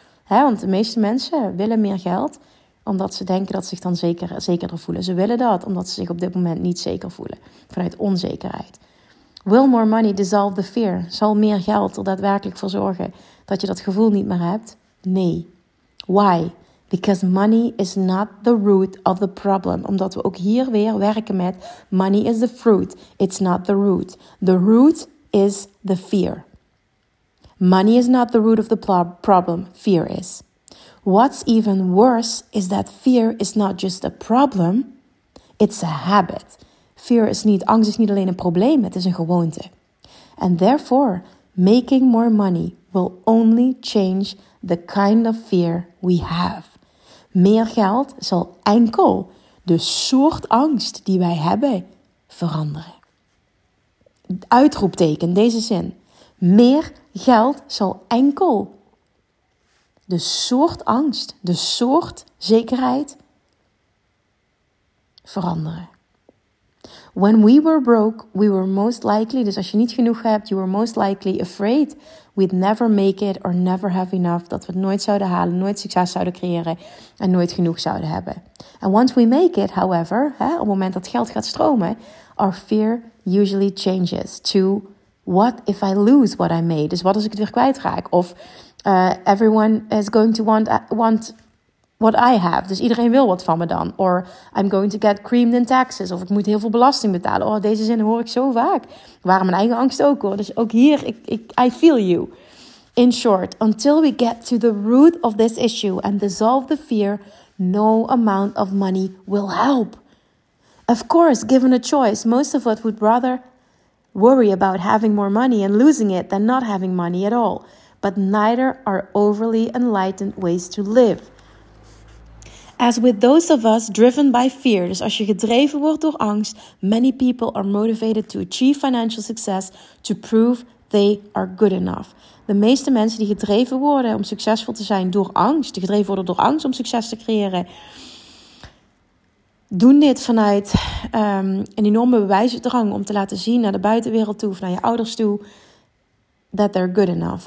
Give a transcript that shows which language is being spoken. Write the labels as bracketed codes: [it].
[nl] He, want de meeste mensen willen meer geld, omdat ze denken dat ze zich dan zekerder voelen. Ze willen dat, omdat ze zich op dit moment niet zeker voelen, vanuit onzekerheid. [en] Will more money dissolve the fear? [nl] Zal meer geld er daadwerkelijk voor zorgen dat je dat gevoel niet meer hebt? Nee. [en] Why? Because money is not the root of the problem. [nl] Omdat we ook hier weer werken met [en] money is the fruit, it's not the root. The root is the fear. Money is not the root of the problem, fear is. What's even worse is that fear is not just a problem, it's a habit. [nl] Fear is niet, angst is niet alleen een probleem, het is een gewoonte. [en] And therefore, making more money will only change the kind of fear we have. [nl] Meer geld zal enkel de soort angst die wij hebben veranderen. Uitroepteken, deze zin. Meer geld zal enkel de soort angst, de soort zekerheid veranderen. [en] When we were broke, we were most likely, [nl] dus als je niet genoeg hebt, [en] you were most likely afraid we'd never make it or never have enough, [nl] dat we het nooit zouden halen, nooit succes zouden creëren en nooit genoeg zouden hebben. [en] And once we make it, however, [nl] hè, op het moment dat geld gaat stromen, [en] our fear usually changes to what if I lose what I made? [nl] Dus wat als ik het weer kwijtraak? [en] Of everyone is going to want what I have. [nl] Dus iedereen wil wat van me dan. [en] Or I'm going to get creamed in taxes. [nl] Of ik moet heel veel belasting betalen. Oh, deze zin hoor ik zo vaak. Waren mijn eigen angst ook hoor. Dus ook hier, [en] I feel you. In short, until we get to the root of this issue and dissolve the fear, no amount of money will help. Of course, given a choice, most of us would rather worry about having more money and losing it than not having money at all. But neither are overly enlightened ways to live. As with those of us driven by fear, [nl] dus als je gedreven wordt door angst, [en] many people are motivated to achieve financial success to prove they are good enough. [nl] De meeste mensen die gedreven worden om succesvol te zijn door angst, die gedreven worden door angst om succes te creëren, doen dit vanuit een enorme bewijsdrang om te laten zien naar de buitenwereld toe of naar je ouders toe [en] that they're good enough.